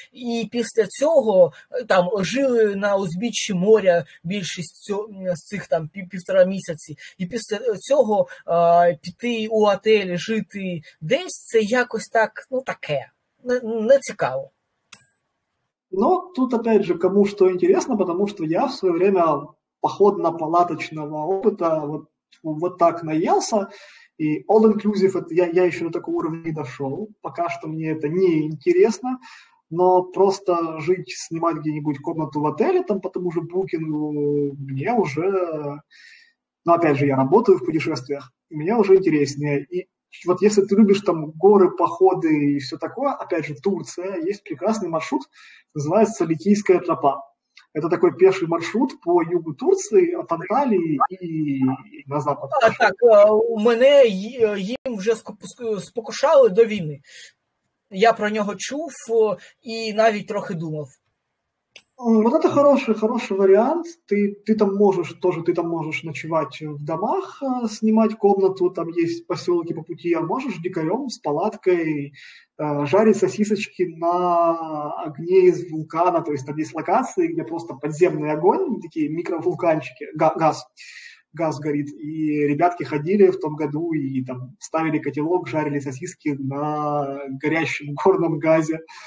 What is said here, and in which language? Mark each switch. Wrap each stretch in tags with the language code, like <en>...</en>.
<uk>І після цього там жили на узбіччі моря більшість з цих там півтора місяці. І після цього піти у готелі, жити десь, це якось так, не цікаво.</uk> <ru>Но тут, опять же, кому что интересно, потому что я в свое время походно-палаточного опыта вот так наелся, и all inclusive, я еще до такого уровня не дошел, пока что мне это не интересно, но просто жить, снимать где-нибудь комнату в отеле, там по тому же букингу, мне уже, опять же, я работаю в путешествиях, мне уже интереснее, и вот если ты любишь там горы, походы и все такое, опять же, Турция, есть прекрасный маршрут, называется Ликийская тропа. Это такой пеший маршрут по югу Турции, от Анталии и на запад.</ru> <uk>Им уже спокушали до війни. Я про него чув и навіть трохи думав.</uk> <ru>Вот это хороший вариант. Ты там можешь ночевать в домах, снимать комнату, там есть поселки по пути, а можешь дикарем с палаткой жарить сосисочки на огне из вулкана, то есть там есть локации, где просто подземный огонь, такие микровулканчики, газ горит, и ребятки ходили в том году и там ставили котелок, жарили сосиски на горящем горном газе.</ru>